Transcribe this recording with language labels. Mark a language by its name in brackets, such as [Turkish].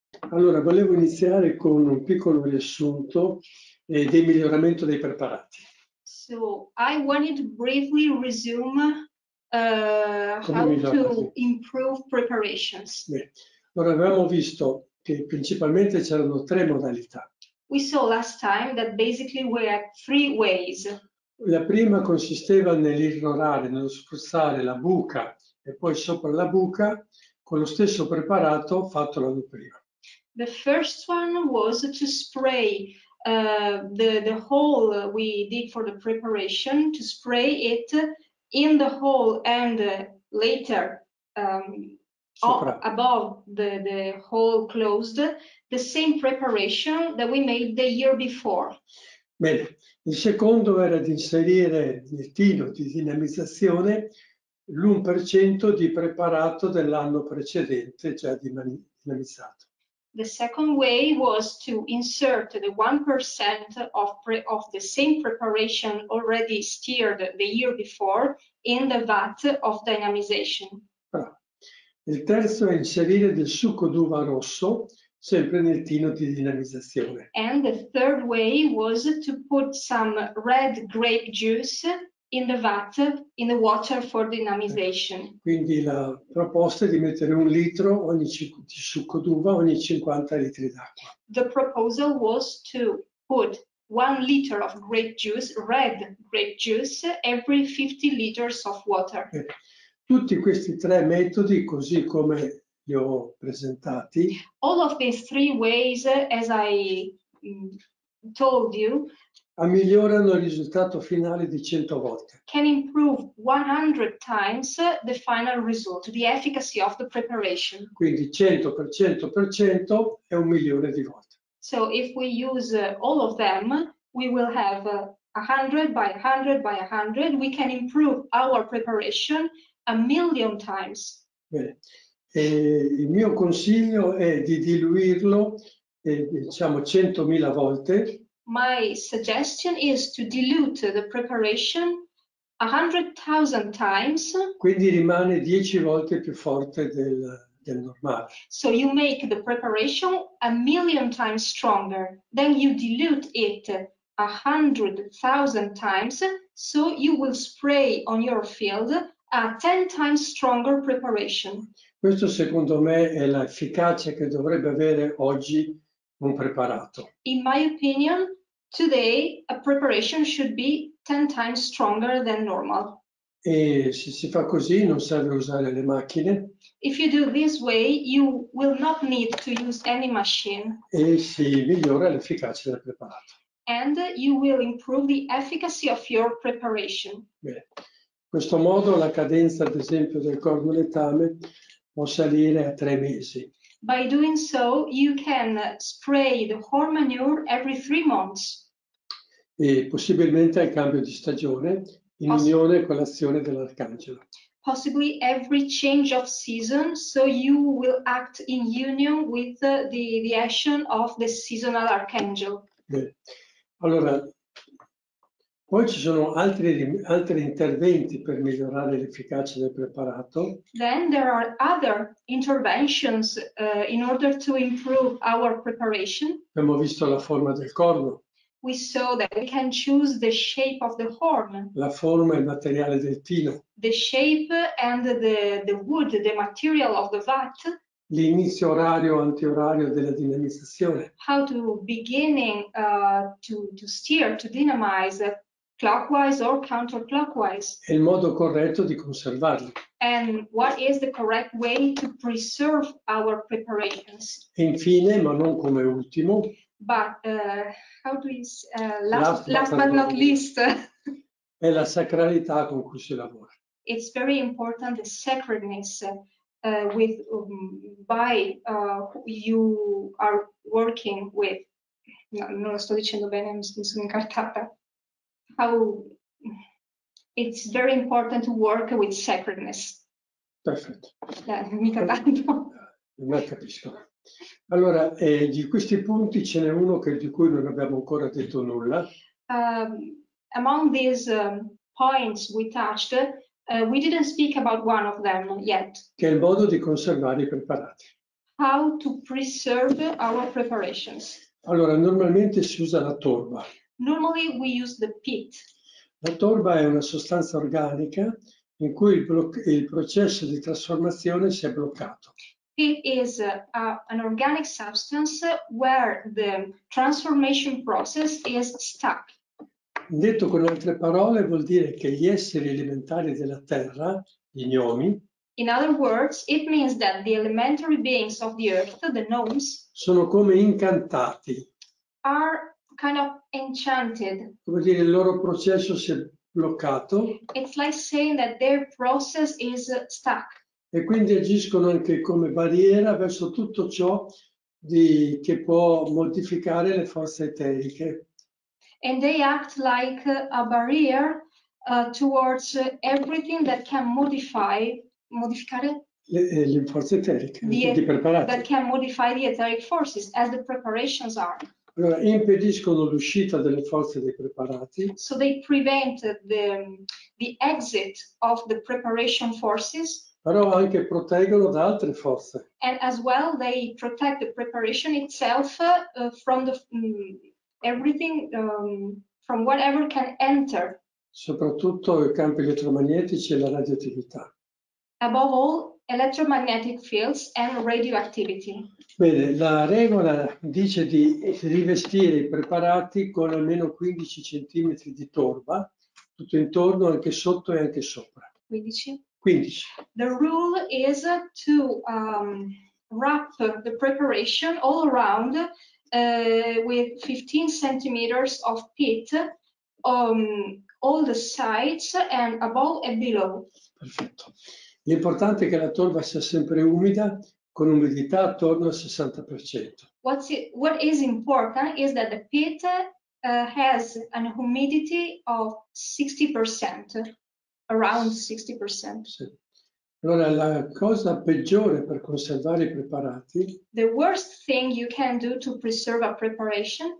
[Italian] Allora, volevo iniziare con un piccolo riassunto del miglioramento dei preparati. [English] So, I wanted to briefly resume how to improve preparations. [Italian] Allora, avevamo visto che principalmente c'erano tre modalità. [English] We saw last time that basically we had three ways. [Italian] La prima consisteva nell'irrorare, nello spruzzare la buca e poi sopra la buca con lo stesso preparato fatto l'anno prima. [English] The first one was to spray the hole we did for the preparation, to spray it in the hole and later above the hole closed, the same preparation that we made the year before. [Italian] Bene, il secondo era di inserire nel tino di dinamizzazione l'1% di preparato dell'anno precedente già dinamizzato. [English] The second way was to insert the 1% of the same preparation already stirred the year before in the vat of dynamization. [Italian] Il terzo è inserire del succo d'uva rosso sempre nel tino di dinamizzazione. [English] And the third way was to put some red grape juice in the vat, in the water for dynamization. [Italian] Quindi la proposta è di mettere un litro di succo d'uva ogni 50 litri d'acqua. [English] The proposal was to put 1 liter of grape juice, red grape juice, every 50 liters of water. [Italian] Tutti questi tre metodi, così come li ho presentati, [English] all of these three ways, as I told you, [Italian] migliorano il risultato finale di 100 volte. [English] Can improve 100 times the final result, the efficacy of the preparation. [Italian] Quindi 100% è 1 milione di volte. [English] So if we use all of them, we will have 100 by 100 by 100, we can improve our preparation 1 million times. [Italian] Bene. E il mio consiglio è di diluirlo, diciamo 100.000 volte. [English] My suggestion is to dilute the preparation 100,000 times. [Italian] Quindi rimane 10 volte più forte del normale. [English] So you make the preparation 1 million times stronger, then you dilute it 100,000 times, so you will spray on your field a 10 times stronger preparation. [Italian] Questo secondo me è l'efficacia che dovrebbe avere oggi un preparato. [English] In my opinion, today a preparation should be 10 times stronger than normal. [Italian] E se si fa così non serve usare le macchine. [English] If you do this way, you will not need to use any machine. [Italian] E si migliora l'efficacia del preparato. [English] And you will improve the efficacy of your preparation. [Italian] Bene. In questo modo la cadenza, ad esempio, del corno letame può salire a 3 mesi. [English] By doing so, you can spray the corn manure every 3 months. [Italian] E possibilmente al cambio di stagione, in unione con l'azione dell'arcangelo. [English] Possibly every change of season, so you will act in union with the action of the seasonal archangel. [Italian] Allora, poi ci sono altri interventi per migliorare l'efficacia del preparato. [English] Then there are other interventions in order to improve our preparation. [Italian] Abbiamo visto la forma del corno. [English] We saw that we can choose the shape of the horn. [Italian] La forma e il materiale del tino. [English] The shape and the wood, the material of the vat. [Italian] L'inizio orario antiorario della dinamizzazione. [English] How to beginning to steer, to dynamize clockwise or counterclockwise. [Italian] È il modo corretto di conservarli. [English] And what is the correct way to preserve our preparations? [Italian] Infine, ma non come ultimo. [English] But how do you last but not least? [Italian] È la sacralità con cui si lavora. [English] It's very important, the sacredness you are working with. [Italian] No, non lo sto dicendo bene, mi sono incartata. [English] It's very important to work with sacredness. [Italian] Perfetto. Mica tanto. Non capisco. Allora, di questi punti ce n'è uno che di cui non abbiamo ancora detto nulla. [English] Among these points we touched, we didn't speak about one of them yet. [Italian] Che è il modo di conservare i preparati. [English] How to preserve our preparations. [Italian] Allora, normalmente si usa la torba. [English] Normally we use the peat. [Italian] La torba è una sostanza organica in cui il processo di trasformazione si è bloccato. [English] It is an organic substance where the transformation process is stuck. [Italian] Detto con altre parole, vuol dire che gli esseri elementari della terra, gli gnomi, [English] in other words, it means that the elementary beings of the earth, the gnomes, [Italian] sono come incantati. [English] Are kind of enchanted. [Italian] Come dire, il loro processo si è bloccato. [English] It's like saying that their process is stuck. [Italian] E quindi agiscono anche come barriera verso tutto ciò che può modificare le forze eteriche. [English] And they act like a barrier towards everything that can [Italian] modificare le forze eteriche, di preparati. [English] That can modify the etheric forces as the preparations are. [Italian] Allora, impediscono l'uscita delle forze dei preparati. [English] So they prevent the exit of the preparation forces. [Italian] Però anche proteggono da altre forze. [English] And as well they protect the preparation itself from the everything from whatever can enter. [Italian] Soprattutto i campi elettromagnetici e la radioattività. [English] Above all, electromagnetic fields and radioactivity. [Italian] Bene, la regola dice di rivestire i preparati con almeno 15 cm di torba, tutto intorno, anche sotto e anche sopra. 15. [English] The rule is to wrap the preparation all around with 15 centimeters of peat on all the sides and above and below. [Italian] Perfetto. L'importante è che la torba sia sempre umida, con umidità attorno al 60%. [English] What is important is that the peat has an humidity of 60%. Around 60%. [Italian] Sì. Allora, la cosa peggiore per conservare i preparati, [English] the worst thing you can do to preserve a preparation,